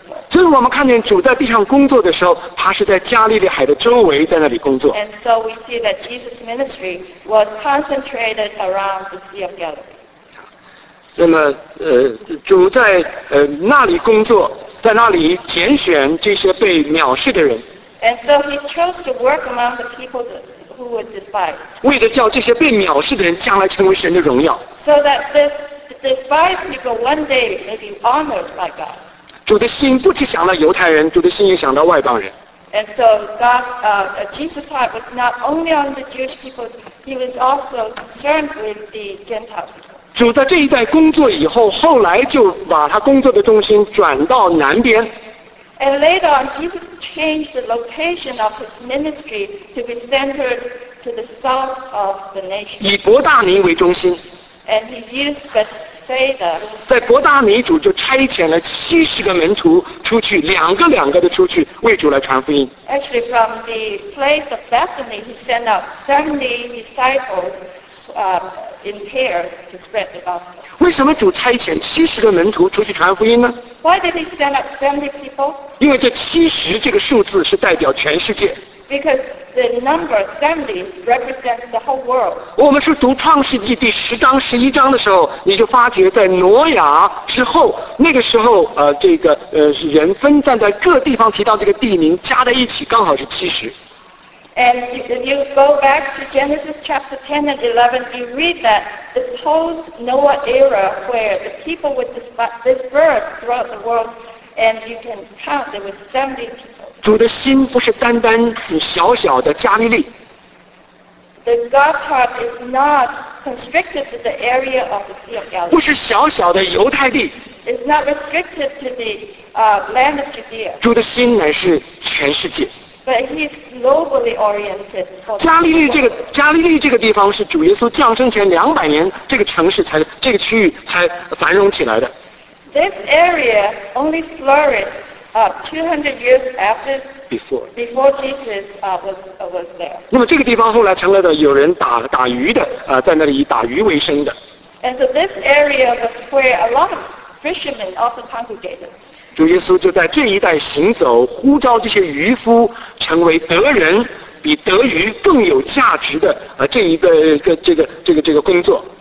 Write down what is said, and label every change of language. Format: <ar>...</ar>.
<zh>所以我们看见主在地上工作的时候，他是在加利利海的周围在那里工作。</zh> <en>And so we see that Jesus' ministry was concentrated around the Sea of Galilee.</en> <zh>那么主在那里工作，在那里拣选这些被藐视的人。</zh> <en>And so he chose to work among the people who were despised.</en> <zh>为了叫这些被藐视的人将来成为神的荣耀。</zh> <en>So that despised people one day may be honored by God.</en> <zh>主的心不只想到犹太人，主的心也想到外邦人。</zh> <en>And so Jesus' heart was not only on the Jewish people, he was also concerned with the Gentile people.</en> <zh>主在这一带工作以后，后来就把他工作的中心转到南边。</zh> <en>And later on, Jesus changed the location of his ministry to be centered to the south of the nation.</en> <zh>以伯大尼为中心。</zh> <en>And he used Bethsaida.</en> <zh>在伯大尼主就差遣了七十个门徒出去，两个两个的出去为主来传福音。</zh> <en>Actually, from the place of Bethany, he sent out 70 disciples in pairs to spread the gospel.</en> <zh>为什么主差遣七十个门徒出去传福音呢？</zh> <en>Why did he send out 70 people?</en> <zh>因为这七十这个数字是代表全世界。</zh> <en>Because the number 70 represents the whole world.</en> <zh>我们是读创世纪第十章、十一章的时候，你就发觉在挪亚之后，那个时候人分散在各地方，提到这个地名加在一起刚好是七十。</zh> <en>And if you go back to Genesis chapter 10 and 11, you read that the post-Noah era where the people were dispersed throughout the world, and you can count there were 70 people.</en> <zh>主的心不是单单小小的加利利。</zh> <en>The God's heart is not constricted to the area of the Sea of Galilee.</en> <zh>不是小小的犹太地。</zh> <en>It's not restricted to the land of Judea.</en> <zh>主的心乃是全世界。</zh> <en>But he's globally oriented.</en> <zh>加利利这个地方是主耶稣降生前两百年这个城市才这个区域才繁荣起来的。</zh> <en>This area only flourished. 200 years after, before Jesus was there.</en> <zh>那么这个地方后来成了有人打鱼的，在那里以打鱼为生的。</zh> <en>And so this area was where a lot of fishermen also congregated.</en> <zh>主耶稣就在这一带行走，呼召这些渔夫成为得人，比得鱼更有价值的这一个这个工作。</zh>